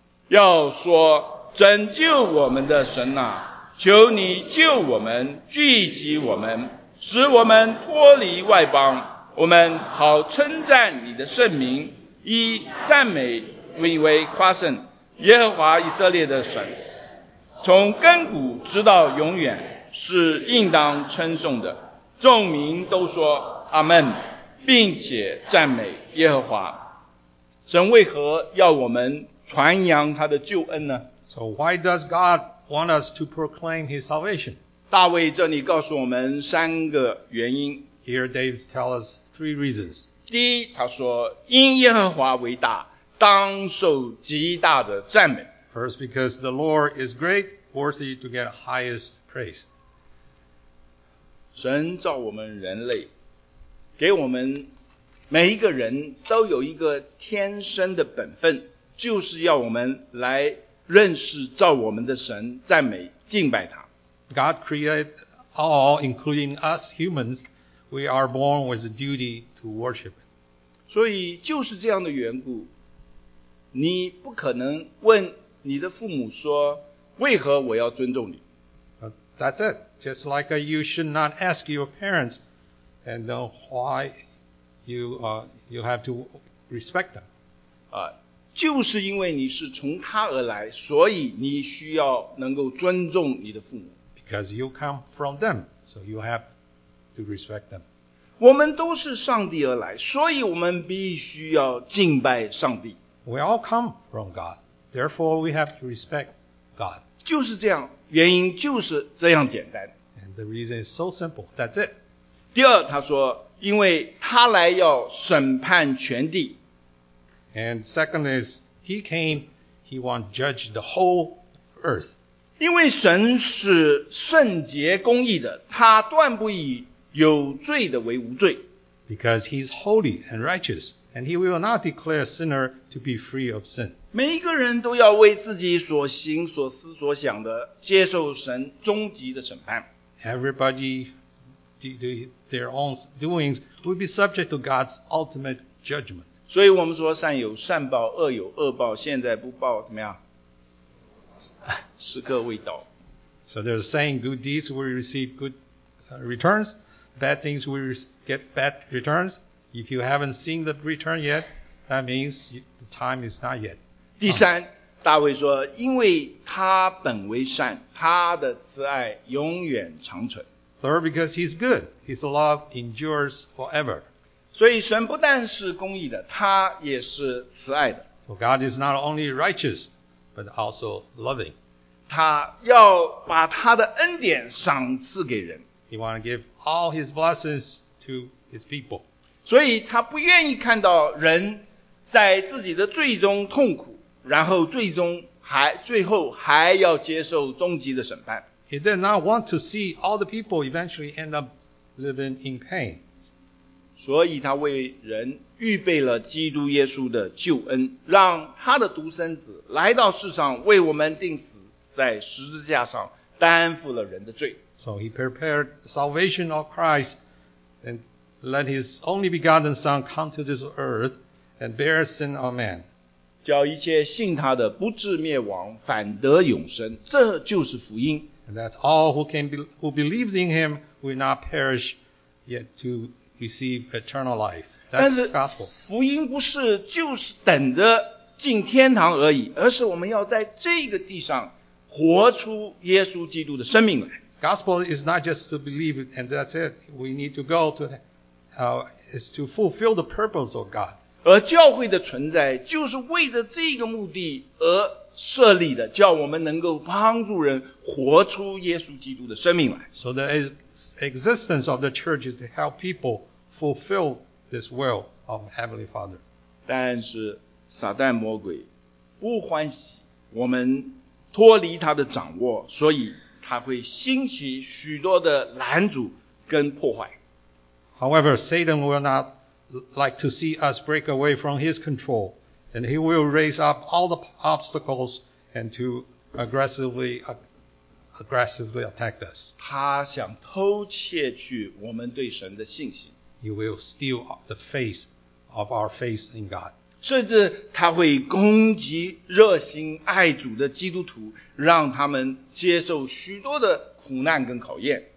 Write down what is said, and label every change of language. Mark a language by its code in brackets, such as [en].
[zh] 要说，拯救我们的神啊，求你救我们，聚集我们，使我们脱离外邦，我们好称赞你的圣名，以赞美你为夸胜耶和华以色列的神。从亘古直到永远是应当称颂的，众民都说阿们，并且赞美耶和华。神为何要我们传扬他的救恩呢？ [en] So why does God want us to proclaim his salvation? [zh] 大卫这里告诉我们三个原因。 [en] Here David tells us three reasons. [zh] 第一，他说因耶和华为大，当受极大的赞美。 [en] First, because the Lord is great, worthy to get highest praise. [zh] 神造我们人类，给我们每一个人都有一个天生的本分，就是要我们来认识造我们的神，赞美敬拜他。 [en] God created all, including us humans. We are born with a duty to worship. [zh] 所以就是这样的缘故，你不可能问你的父母说为何我要尊重你。 [en] That's it. Just like you should not ask your parents and know why you have to respect them. [zh] 就是因为你是从他而来，所以你需要能够尊重你的父母。 [en] Because you come from them, so you have to respect them. [zh] 我们都是上帝而来，所以我们必须要敬拜上帝。 [en] We all come from God, therefore we have to respect God. [zh] 就是这样，原因就是这样简单。 [en] And the reason is so simple, that's it. [zh] 第二，他说，因为他来要审判全地。 [en] And second is, he came, he want to judge the whole earth. [zh] 因为神是圣洁公义的，他断不以有罪的为无罪。 [en] Because he's holy and righteous, and he will not declare a sinner to be free of sin. [zh] 每一个人都要为自己所行所思所想的接受神终极的审判。 [en] Everybody do their own doings will be subject to God's ultimate judgment. [zh] 所以我们说善有善报，恶有恶报，现在不报怎么样？时刻未到。 [en] So there's a saying, good deeds will receive good returns, bad things will get bad returns. If you haven't seen the return yet, that means the time is not yet. [zh] 第三，大卫说，因为他本为善，他的慈爱永远长存。 [en] Third, because he's good, his love endures forever. [zh] 所以神不但是公义的，他也是慈爱的。 [en] So God is not only righteous, but also loving. [zh] 他要把他的恩典赏赐给人。 [en] He want to give all his blessings to his people. [zh] 所以他不愿意看到人在自己的罪中痛苦，然后最后还要接受终极的审判。 [en] He did not want to see all the people eventually end up living in pain. [zh] 所以他为人预备了基督耶稣的救恩，让他的独生子来到世上为我们钉死在十字架上，担负了人的罪。 [en] So he prepared the salvation of Christ and let his only begotten son come to this earth and bear sin on man. [zh] 叫一切信他的不至灭亡，反得永生，这就是福音。 [en] And that all who believed in him will not perish yet to receive eternal life. That's gospel. [zh] 福音不是就是等着进天堂而已，而是我们要在这个地上活出耶稣基督的生命来。 [en] Gospel is not just to believe it and that's it. We need to go to, is to fulfill the purpose of God. [zh] 而教会的存在就是为着这个目的而设立的，叫我们能够帮助人活出耶稣基督的生命来。 [en] So the existence of the church is to help people fulfill this will of Heavenly Father. [zh] 但是撒旦魔鬼不欢喜我们脱离他的掌握，所以他会兴起许多的拦阻跟破坏。 [en] However, Satan will not like to see us break away from his control, and he will raise up all the obstacles and to aggressively attack us. [zh] 他想偷窃去我们对神的信心。 [en] He will steal the faith of our faith in God. [zh] 甚至他会攻击热心爱主的基督徒，让他们接受许多的苦难跟考验。